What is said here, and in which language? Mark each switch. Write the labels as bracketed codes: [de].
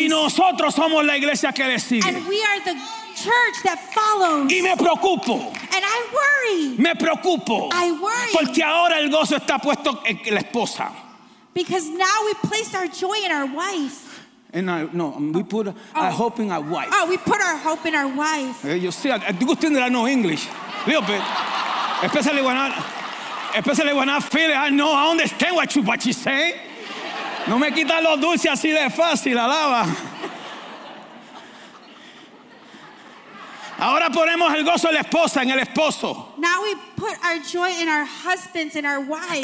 [es] Y nosotros somos la iglesia que le sigue. [en] And we are the church that follows. [es] Y me preocupo. [en] And I worry. [es] Me preocupo. [en] I worry. [es] Porque ahora el gozo está puesto en la esposa. [en] Because now we placed our joy in our wife. And I, no, we put our hope in our wife. Oh, we put our hope in our wife. You see, I do good thing that I know English. A little bit. Especially when I feel it, I know, I understand what she's saying. [es] No me quita los dulces así de fácil, alaba. Ahora ponemos el gozo en la esposa, en el esposo. [en] Now we put our joy in our husbands and our wives.